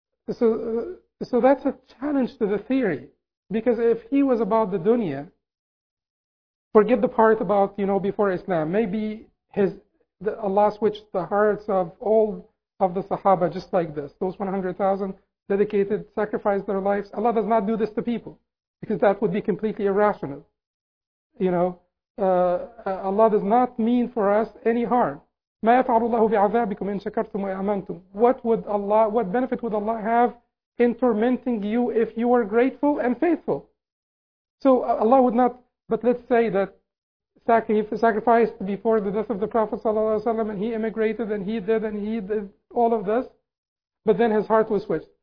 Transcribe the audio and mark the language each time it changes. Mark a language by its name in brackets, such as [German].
[English] So that's a challenge to the theory, because if he was about the dunya, forget the part about, you know, before Islam, maybe Allah switched the hearts of all of the Sahaba just like this. Those 100,000 dedicated, sacrificed their lives. Allah does not do this to people, because that would be completely irrational. You know, Allah does not mean for us any harm. [Arabic] ما يفعل الله بعذابكم إن شكرتم وآمنتم. [English] What would Allah, what benefit would Allah have in tormenting you if you were grateful and faithful? So Allah would not, but let's say that sacrificed before the death of the Prophet ﷺ and he immigrated and he did and he did all of this, but then his heart was switched.